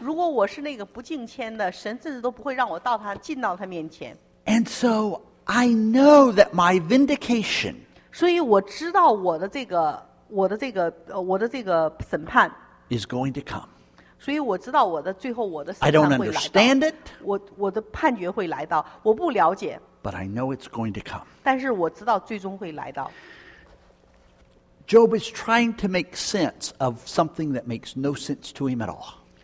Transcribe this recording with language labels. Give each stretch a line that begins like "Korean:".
English: And so I know that my vindication is going to come. I don't understand it.
Chinese: 我的判决会来到，我不了解。
English: But I know it's going to come.
Chinese: 但是我知道最终会来到。
English: Job is trying to make sense of something that makes no sense to him at all.